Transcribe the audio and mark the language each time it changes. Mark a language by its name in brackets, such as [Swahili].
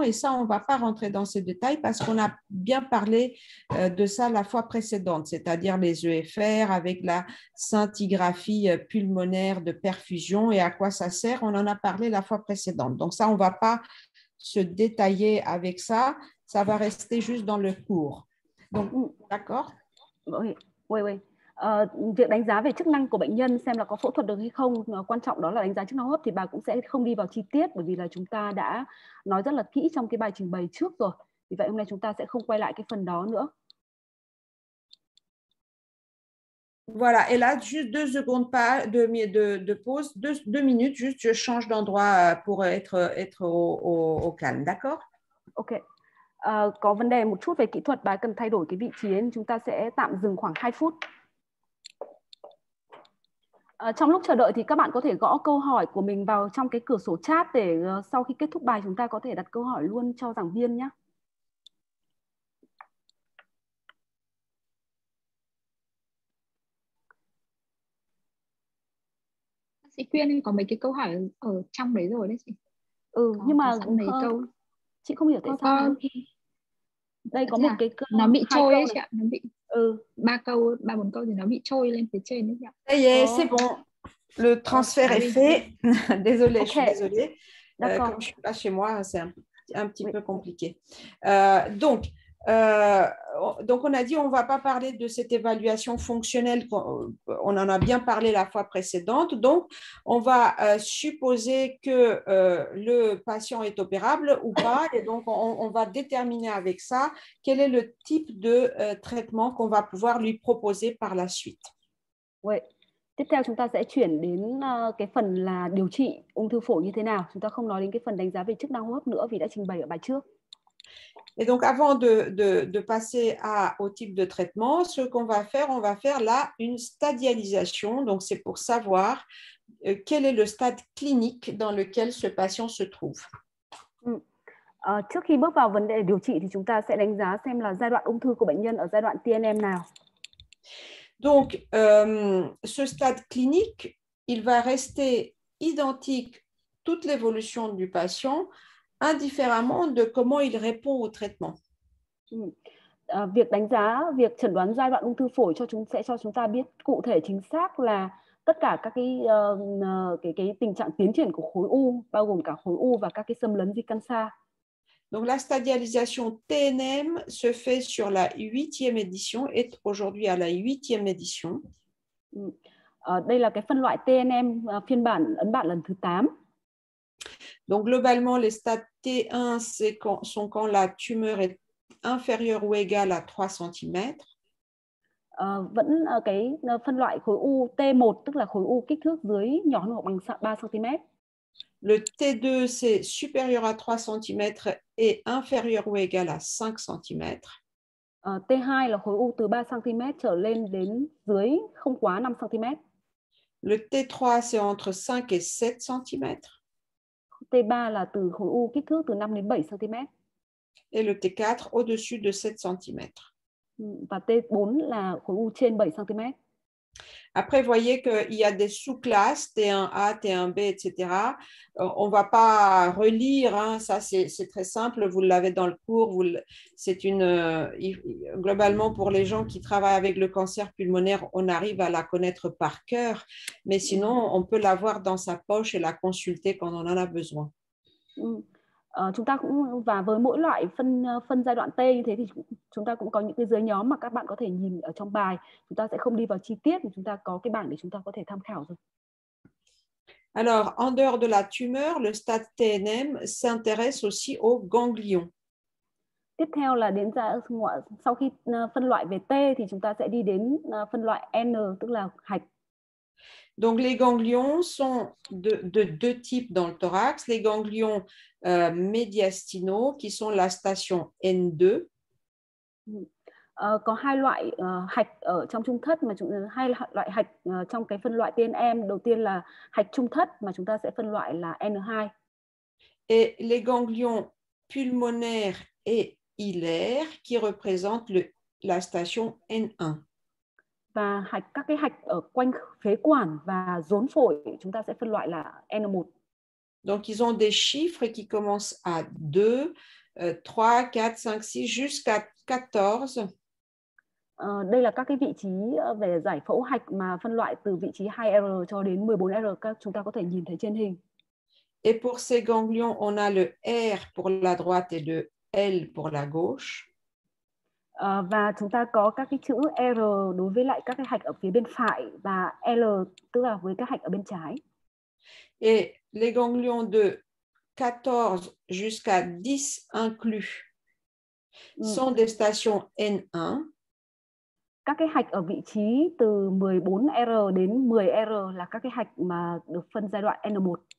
[French] Et ça, on ne va pas rentrer dans ces détails parce qu'on a bien parlé de ça la fois précédente, c'est-à-dire les EFR avec la scintigraphie pulmonaire de perfusion et à quoi ça sert. On en a parlé la fois précédente. Donc ça, on ne va pas se détailler avec ça. Ça va rester juste dans le cours. Donc, d'accord? Oui. [Vietnamese] Việc đánh giá về chức năng của bệnh nhân xem là có phẫu thuật được hay không, quan trọng đó là đánh giá chức năng hô hấp, thì bà cũng sẽ không đi vào chi tiết bởi vì là chúng ta đã nói rất là kỹ trong cái bài trình bày trước rồi. Vì vậy hôm nay chúng ta sẽ không quay lại cái phần đó nữa. [French] Voilà, et là juste deux secondes pas de de pause, deux minutes juste, je change d'endroit pour être au calme, d'accord? OK. [Vietnamese] Có vấn đề một chút về kỹ thuật, bà cần thay đổi cái vị trí nên chúng ta sẽ tạm dừng khoảng 2 phút. Trong lúc chờ đợi thì các bạn có thể gõ câu hỏi của mình vào trong cái cửa sổ chat để sau khi kết thúc bài chúng ta có thể đặt câu hỏi luôn cho giảng viên nhé. Chị Quyên có mấy cái câu hỏi ở trong đấy rồi đấy chị. Ừ, có, nhưng mà có sẵn mấy câu. Chị không hiểu tại sao. Đây có một cái câu, nó bị trôi ấy chị ạ, nó bị ừ, ba câu, ba bốn câu thì nó bị trôi lên phía trên ấy chị ạ. [French] Ça y est, c'est bon. Le transfert est fait. Désolé, okay. Je suis désolée. D'accord. Comme je suis pas chez moi, c'est un petit oui. peu compliqué. Donc on a dit on va pas parler de cette évaluation fonctionnelle, on en a bien parlé la fois précédente, donc on va supposer que le patient est opérable ou pas, et donc on va déterminer avec ça quel est le type de traitement qu'on va pouvoir lui proposer par la suite. Oui. [Vietnamese] Tiếp theo chúng ta sẽ chuyển đến cái phần là điều trị ung thư phổi như thế nào, chúng ta không nói đến cái phần đánh giá về chức năng hô hấp nữa vì đã trình bày ở bài trước. [French] Et donc, avant de passer au type de traitement, ce qu'on va faire, on va faire là une stadialisation. Donc, c'est pour savoir quel est le stade clinique dans lequel ce patient se trouve. [Vietnamese] Trước khi bước vào vấn đề điều trị, thì chúng ta sẽ đánh giá xem là giai đoạn ung thư của bệnh nhân ở giai đoạn TNM nào. [French] Donc, ce stade clinique, il va rester identique toute l'évolution du patient, indifféremment de comment il répond au traitement. [Vietnamese] Việc đánh giá, việc chẩn đoán giai đoạn ung thư phổi cho chúng sẽ cho chúng ta biết cụ thể chính xác là tất cả các cái tình trạng tiến triển của khối u, bao gồm cả khối u và các cái xâm lấn di căn xa. [French] Donc la stadialisation TNM se fait sur la 8e édition, est aujourd'hui à la 8e édition. [Vietnamese] Đây là cái phân loại TNM phiên bản ấn bản lần thứ 8. [French] Donc globalement, les stades T1 c'est quand, sont quand la tumeur est inférieure ou égale à 3 cm. [Vietnamese] Vẫn cái phân loại khối u T1 tức là khối u kích thước dưới nhỏ hơn hoặc bằng 3 cm. [French] Le T2 c'est supérieur à 3 cm et inférieur ou égal à 5 cm. [Vietnamese] T2 là khối u từ 3 cm trở lên đến dưới không quá 5 cm. [French] Le T3 c'est entre 5 et 7 cm. [Vietnamese] T3 là từ khối u kích thước từ 5 đến 7 cm. [French] Et le T4 au-dessus de 7 cm. [Vietnamese] Và T4 là khối u trên 7 cm. [French] Après, voyez qu'il y a des sous-classes, T1A, T1B, etc. On ne va pas relire, hein. Ça c'est très simple, vous l'avez dans le cours. C'est une, globalement, pour les gens qui travaillent avec le cancer pulmonaire, on arrive à la connaître par cœur, mais sinon, on peut l'avoir dans sa poche et la consulter quand on en a besoin. [Vietnamese] Chúng ta cũng, và với mỗi loại phân phân giai đoạn T như thế thì chúng ta cũng có những cái dưới nhóm mà các bạn có thể nhìn ở trong bài. Chúng ta sẽ không đi vào chi tiết, chúng ta có cái bảng để chúng ta có thể tham khảo rồi. [French] Alors, en dehors de la tumeur, le stade TNM s'intéresse aussi aux ganglions. [Vietnamese] Tiếp theo là đến sau khi phân loại về T thì chúng ta sẽ đi đến phân loại N, tức là hạch. [French] Donc les ganglions sont de deux types dans le thorax, les ganglions médiastinaux qui sont la station N2. [Vietnamese] Có hai loại hạch ở trong trung thất mà hai loại hạch trong cái phân loại TNM, đầu tiên là hạch trung thất mà chúng ta sẽ phân loại là N2. [French] Et les ganglions pulmonaires et hilaires qui représentent la station N1. [Vietnamese] Và hạch, các cái hạch ở quanh phế quản và rốn phổi chúng ta sẽ phân loại là N1. [French] Donc ils ont des chiffres qui commencent à 2, 3, 4, 5, 6 jusqu'à 14. [Vietnamese] Đây là các cái vị trí về giải phẫu hạch mà phân loại từ vị trí 2R cho đến 14R, các chúng ta có thể nhìn thấy trên hình. [French] Et pour ces ganglions, on a le R pour la droite et le L pour la gauche. [Vietnamese] Và chúng ta có các cái chữ R đối với lại các cái hạch ở phía bên phải và L tức là với các hạch ở bên trái. [French] Et les ganglions de 14 jusqu'à 10 inclus sont des stations N1. [Vietnamese] Các cái hạch ở vị trí từ 14R đến 10R là các cái hạch mà được phân giai đoạn N1.